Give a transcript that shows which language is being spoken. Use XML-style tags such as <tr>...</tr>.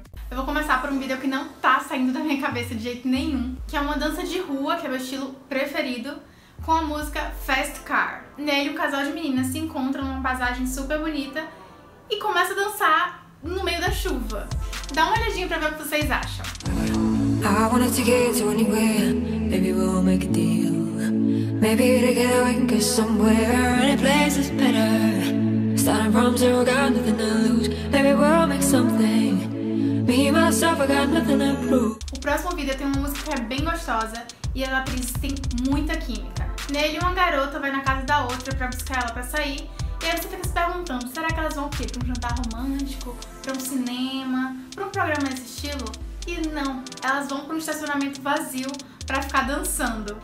<pt>Eu vou começar por um vídeo que não tá saindo da minha cabeça de jeito nenhum, que é uma dança de rua, que é meu estilo preferido, com a música Fast Car. Nele, um casal de meninas se encontra numa paisagem super bonita e começa a dançar no meio da chuva. Dá uma olhadinha pra ver o que vocês acham.</pt> <en>I wanna take it to anywhere. Maybe we'll make a deal. Maybe together we can go somewhere. Any place is better. Starting from zero, got nothing to lose. Maybe we'll make something. Me myself, I got nothing to prove.</en> <pt>O próximo vídeo tem uma música que é bem gostosa e as atrizes têm muita química. Nele, uma garota vai na casa da outra pra buscar ela pra sair. E aí você fica se perguntando, será que elas vão o quê? Pra um jantar romântico? Pra um cinema? Pra um programa desse estilo? E não, elas vão para um estacionamento vazio para ficar dançando.</pt>